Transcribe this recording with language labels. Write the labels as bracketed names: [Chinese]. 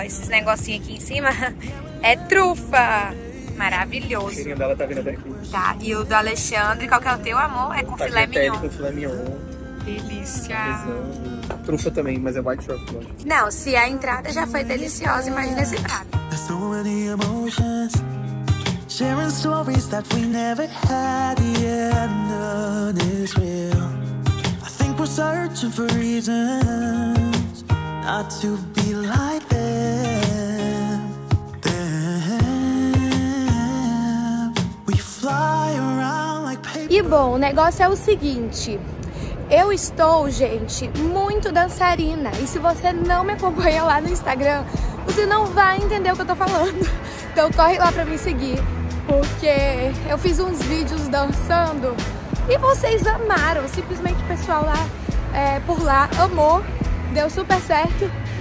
[Portuguese] Esses negocinhos aqui em cima. É trufa. Maravilhoso. O cheirinho dela tá vindo até aqui. Tá. E o do Alexandre, qual que é o teu, amor? É com filé mignon. Com filé mignon. Delícia. Mas, trufa também, mas é [English] white truffle. [Portuguese] Ó. Não, se a entrada já foi deliciosa, imagina esse prato. [English] So many emotions, sharing stories that we never had. The end of is real. I think we're searching for reasons not to be like them. We fly around like paper. [Portuguese] E bom, o negócio é o seguinte. Eu estou, gente, muito dançarina. E se você não me acompanha lá no Instagram, você não vai entender o que eu tô falando. Então corre lá pra me seguir, porque eu fiz uns vídeos dançando e vocês amaram. Simplesmente o pessoal lá, por lá, amou. Deu super certo.